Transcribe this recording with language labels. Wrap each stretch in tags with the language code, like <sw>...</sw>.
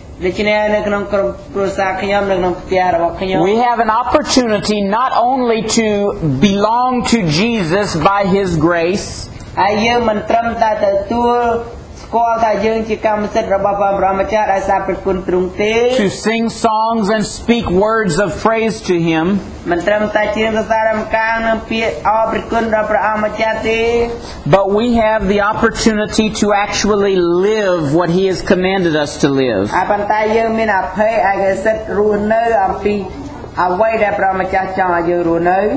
<km>ដូច្នេះនៅក្នុងក្រុមគ្រួសារខ្ញុំនៅក្នុងផ្ទះរបស់ខ្ញុំ</km> <en>We have an opportunity not only to belong to Jesus by his grace</en> <km>ហើយយើងមិនត្រឹមតែទទួលស្គាល់ថាយើងជាកម្មសិទ្ធិរបស់ព្រះបរមាចារ្យដែលសាប្រគុណទ្រង់ទេ</km> <en>To sing songs and speak words of praise to him</en> <km>មិនត្រឹមតែជាសារមកាងនឹងពាក្យអរប្រគុណដល់ព្រះអម្ចាស់ទេ</km> <en>But we have the opportunity to actually live what he has commanded us to live</en> <km>ហើយប៉ុន្តែយើងមានអភ័យឯកសិទ្ធិរស់នៅអំពីអ្វីដែលព្រះម្ចាស់ចង់ឲ្យយើងរស់នៅ</km>